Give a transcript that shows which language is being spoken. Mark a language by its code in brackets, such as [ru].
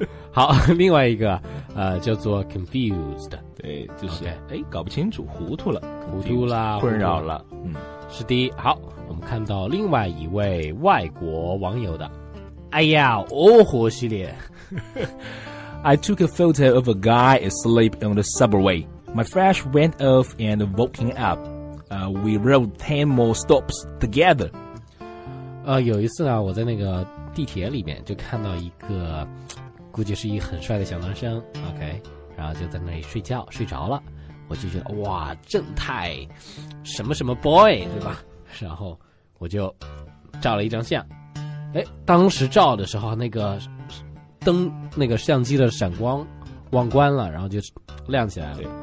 [zh] 好，另外一个叫做 confused，对，就是哎、okay ，搞不清楚，糊涂了， confused, 糊涂啦，困扰了，是第一。好，我们看到另外一位外国网友的，哎呀，哦吼系列。 [en] I took a photo of a guy asleep on the subway. My flash went off and woken up. We rode 10 more stops together. [zh] 有一次呢，我在那个地铁里面就看到一个，估计是一很帅的小男生。 OK， 然后就在那里睡觉，睡着了。我就觉得哇，正太，什么什么 boy， 对吧？然后我就照了一张相。哎，当时照的时候，那个灯，那个相机的闪光忘关了，然后就亮起来了。